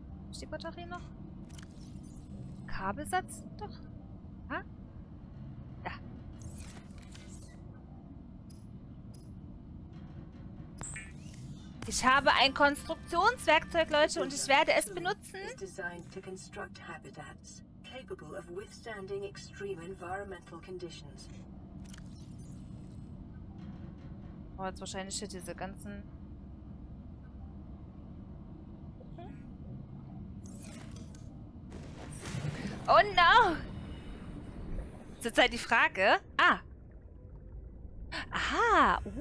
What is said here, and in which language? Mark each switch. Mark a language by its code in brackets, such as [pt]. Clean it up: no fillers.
[de] Ist die Batterie noch? Kabelsatz? Doch. Ha? Da. Ich habe ein Konstruktionswerkzeug, Leute, und ich werde es benutzen. Es ist [en] designed to construct habitats. Capable of withstanding extreme environmental conditions. [de] Oh, jetzt wahrscheinlich hier diese ganzen. [en] Oh no! [de] Zurzeit die Frage. Ah! Aha!